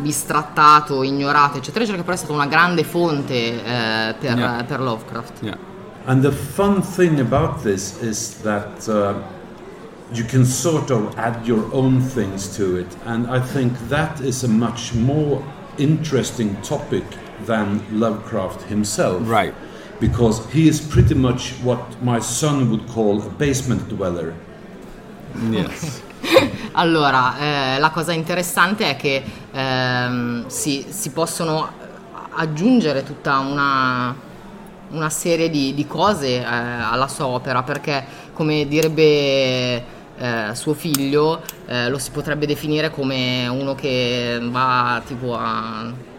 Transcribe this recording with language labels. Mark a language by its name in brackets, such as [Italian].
[Italian] bistrattato, ignorato, eccetera, eccetera, che però è stata una grande fonte per Lovecraft. [English] Yeah. And the fun thing about this is that you can sort of add your own things to it, and I think that is a much more interesting topic than Lovecraft himself. Right. Because he is pretty much what my son would call a basement dweller. Yes. [Italian] Allora, la cosa interessante è che si possono aggiungere tutta una serie di cose alla sua opera, perché, come direbbe suo figlio, lo si potrebbe definire come uno che va tipo a